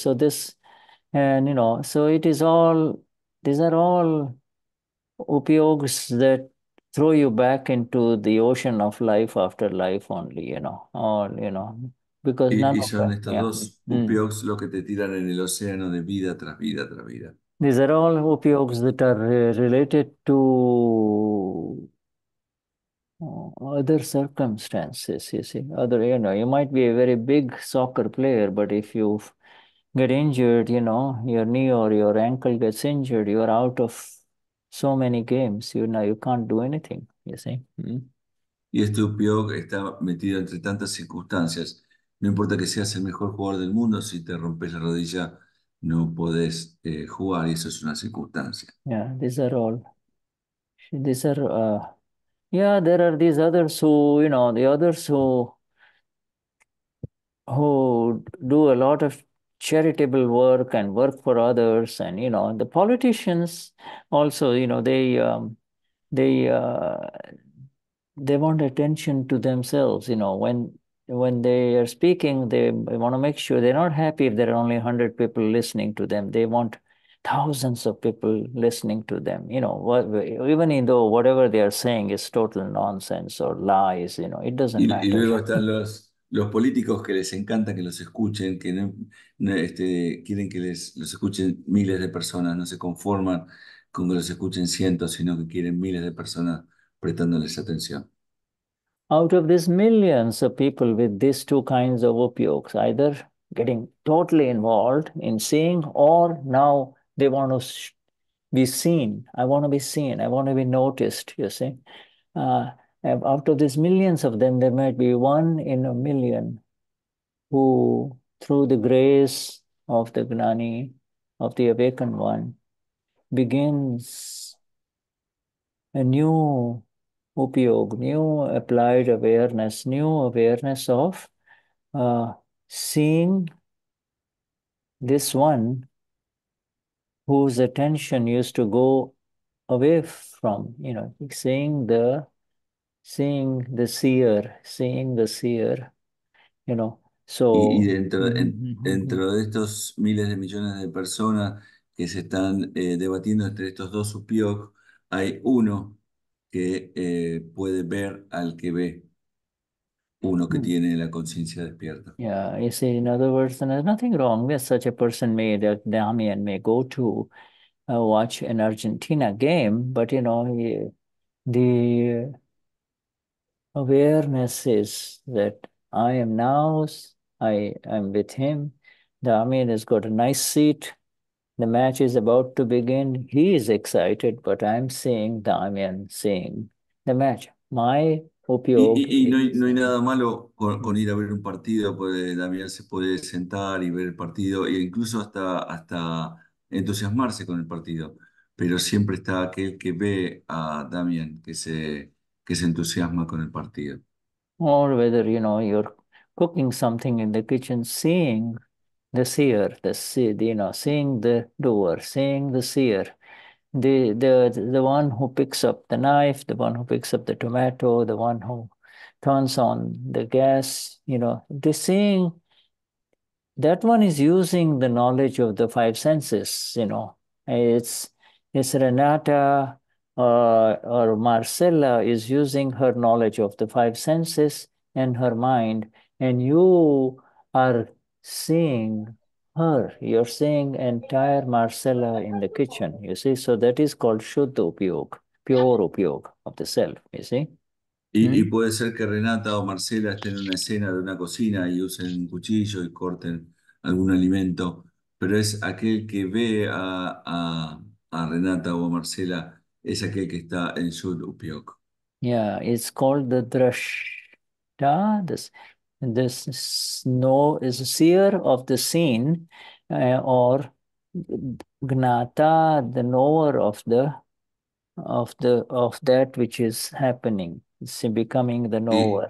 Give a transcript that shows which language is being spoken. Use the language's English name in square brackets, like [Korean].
[English] So this, and you know, so it is all, these are all upayogas that throw you back into the ocean of life after life only, you know, all, you know, because [Spanish] Y [English] none of [Spanish] son estos [English] yeah. [Spanish] dos upayogas los que te tiran en el océano de vida tras vida tras vida. [English] These are all upayogas that are related to other circumstances, you see. Other, you know, you might be a very big soccer player, but if you get injured, you know, your knee or your ankle gets injured, you're out of so many games, you know, you can't do anything, you see. [Spanish] Y este upayoga está metido entre tantas circunstancias. No importa que seas el mejor jugador del mundo, si te rompes la rodilla, no puedes jugar, y eso es una circunstancia. [English] Yeah, these are all. These are, yeah, there are these others who, you know, the others who do a lot of charitable work and work for others, and, you know, the politicians also, you know, they want attention to themselves, you know, when they are speaking, they want to make sure they're not happy if there are only 100 people listening to them. They want thousands of people listening to them, you know, even though whatever they are saying is total nonsense or lies, you know, it doesn't [Spanish] Y [English] matter. [Spanish] luego están los políticos que les encanta que los escuchen, que no, quieren que los escuchen miles de personas, no se conforman con que los escuchen cientos, sino que quieren miles de personas prestándoles atención. [English] Out of these millions of people with these two kinds of upayogas, either getting totally involved in seeing, or now they want to be seen. I want to be seen. I want to be noticed, you see. Out of these millions of them, there might be one in a million who, through the grace of the Gnani, of the Awakened One, begins a new upayog, new applied awareness, new awareness of seeing this one whose attention used to go away from, you know, seeing the seer, you know, so. [Spanish] Y dentro de estos miles de millones de personas que se están debatiendo entre estos dos upiyog, hay uno que puede ver al que ve, uno que tiene la conciencia despierta. [English] Yeah, you see, in other words, there's nothing wrong with such a person may, that Damian may go to watch an Argentina game, but, you know, the awareness is that I am with him. Damian has got a nice seat. The match is about to begin. He is excited, but I'm seeing Damian seeing the match. My opio. [Spanish] Y no hay nada malo con ir a ver un partido, puede, Damián se puede sentar y ver el partido e incluso hasta entusiasmarse con el partido, pero siempre está aquel que ve a Damián que se entusiasma con el partido. [English] Or whether, you know, you're cooking something in the kitchen, seeing the seer, the seed, you know, seeing the doer, seeing the seer, the one who picks up the knife, the one who picks up the tomato, the one who turns on the gas, you know, the seeing, that one is using the knowledge of the five senses, you know. It's Renata or Marcella is using her knowledge of the five senses and her mind, and you are seeing her. You're seeing entire Marcella in the kitchen, you see. So that is called Shuddha Upyog, pure Upyog of the self, you see. [Spanish] Y puede ser que Renata o Marcela estén en una escena de una cocina y usen un cuchillo y corten algún alimento, pero es aquel que ve a Renata o a Marcela, es aquel que está en Shuddha Upyog. [English] Yeah, it's called the drashta. This snow is a seer of the scene, or gnata, the knower of that which is happening. It's becoming the knower.